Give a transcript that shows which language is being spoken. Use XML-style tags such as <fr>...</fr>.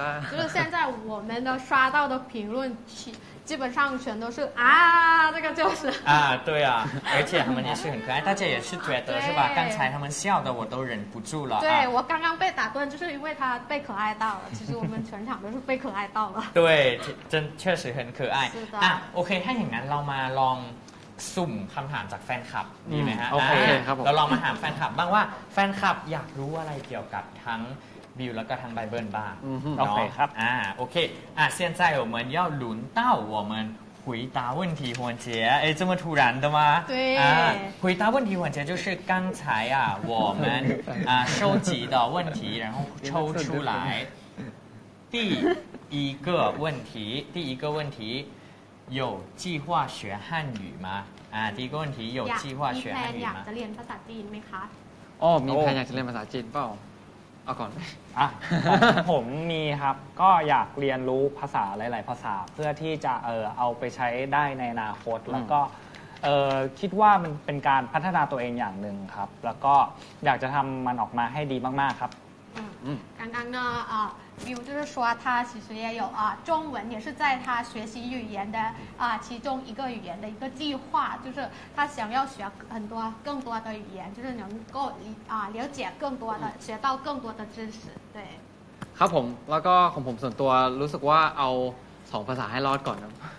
<zh>就是现在我们的刷到的评论基本上全都是啊这个就是啊对啊而且他们也是很可爱大家也是觉得是吧刚才他们笑的我都忍不住了对、啊、我刚刚被打断就是因为他被可爱到了其实我们全场都是被可爱到了对真确实很可爱是的、</zh> <th>啊、OK 那อย่างนั้นเรามาลองสุ่มคำถามจากแฟนคลับดีไหมฮะ โอเคครับ เราลองมาถามแฟนคลับบ้างว่าแฟนคลับอยากรู้อะไรเกี่ยวกับทั้งบิวแล้วก็ทางไบเบิลบ้าง โอเคครับ</th> <zh>โอเคเซียนไซ่我们要轮到我们回答问题环节哎这么突然的吗对回答问题环节就是刚才啊我们啊收集的问题然后抽出来第一个问题第一个问题有计划学汉语吗第一个问题有计划学汉语吗</zh> <th>มีแพลนอยากจะเรียนภาษาจีนไห ม คะ มีแพลนอยากจะเรียนภาษาจีนเปล่าเอาก่อน ผมมีครับก็อยากเรียนรู้ภาษาหลายๆภาษาเพื่อที่จะเอาไปใช้ได้ในอนาคตแล้วก็คิดว่ามันเป็นการพัฒนาตัวเองอย่างหนึ่งครับแล้วก็อยากจะทำมันออกมาให้ดีมากๆครับ การการเนาะ</th> <zh>Bill 就是说他其实也有啊，中文也是在他学习语言的啊其中一个语言的一个计划，就是他想要学很多更多的语言，就是能够啊了解更多的学到更多的知识。对。</zh> <th>ครับผมแล้วก็ของผมส่วนตัวรู้สึกว่าเอาสองภาษาให้รอดก่อนนะ。</th>